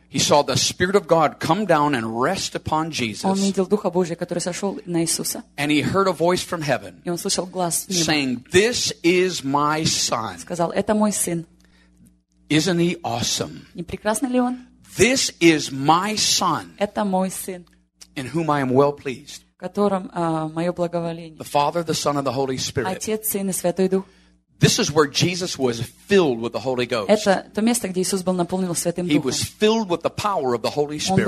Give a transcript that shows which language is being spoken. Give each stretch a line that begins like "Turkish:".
English: He saw the Spirit of God come down and rest upon Jesus.
Russian: Он видел Духа Божия, который сошел на Иисуса.
English: And he heard a voice from heaven.
Russian: И он слышал глас неба.
English: Saying, "This is my son."
Russian: Сказал, это мой сын.
English: Isn't he awesome?
Russian: Не прекрасно ли он?
English: This is my son.
Russian: Это мой сын.
English: In whom I am well pleased.
Russian: Которым мое благоволение.
English: The Father, the Son, and the Holy Spirit.
Russian: Отец, Сын и Святой Дух.
English: This is where Jesus was filled with the Holy Ghost.
Russian: Это то место, где Иисус был наполнен Святым Духом.
English: He was filled with the power of the Holy Spirit.